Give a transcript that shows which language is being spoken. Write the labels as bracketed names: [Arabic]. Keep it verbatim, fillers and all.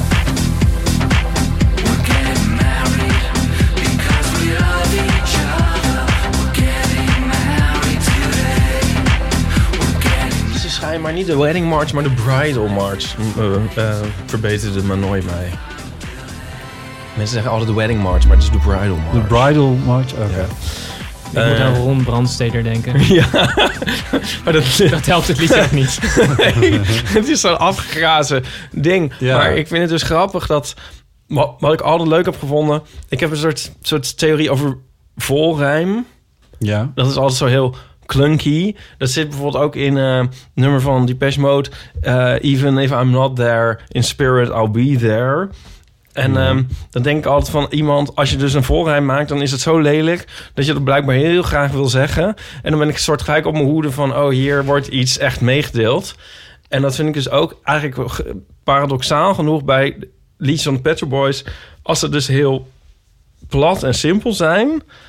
[English] We're getting married because we love each other. We're getting married today. We're getting... [Dutch] Ze schijnen maar niet de wedding march, maar de bridal march. Uh, uh, verbeterde me nooit mee. Mensen zeggen altijd de wedding march, maar het is de bridal march. De bridal march, oké. Okay. Ja. Ik moet aan Ron Brandsteder denken. Ja, maar dat, dat helpt het liedje ook niet. Nee, het is zo'n afgegrazen ding. Ja. Maar ik vind het dus grappig dat... Wat, wat ik altijd leuk heb gevonden... Ik heb een soort, soort theorie over volrijm. Ja. Dat is altijd zo heel clunky. Dat zit bijvoorbeeld ook in uh, nummer van Depeche Mode. [English] Uh, Even if I'm not there, in spirit I'll be there. [Dutch] En um, dan denk ik altijd van iemand... Als je dus een volrijm maakt, dan is het zo lelijk... dat je dat blijkbaar heel graag wil zeggen. En dan ben ik een soort gelijk op mijn hoede van... oh, hier wordt iets echt meegedeeld. En dat vind ik dus ook eigenlijk paradoxaal genoeg... bij liedjes van de Pet Shop Boys... als ze dus heel plat en simpel zijn...